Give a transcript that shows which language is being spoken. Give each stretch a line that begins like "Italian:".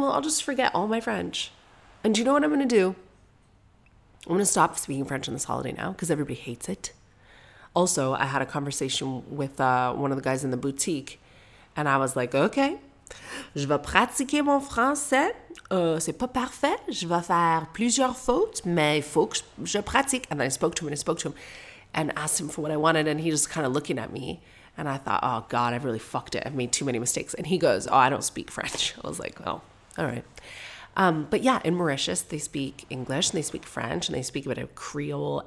English: Well, I'll just forget all my French. And do you know what I'm going to do? I'm going to stop speaking French on this holiday now because everybody hates it. Also, I had a conversation with one of the guys in the boutique and I was like, okay,
French: je vais pratiquer mon français. C'est pas parfait. Je vais faire plusieurs fautes, mais il faut que je pratique.
English: And then I spoke to him and asked him for what I wanted and he just kind of looking at me and I thought, oh God, I've really fucked it. I've made too many mistakes. And he goes, oh, I don't speak French. I was like, well, all right. But yeah, in Mauritius, they speak English and they speak French and they speak a bit of Creole.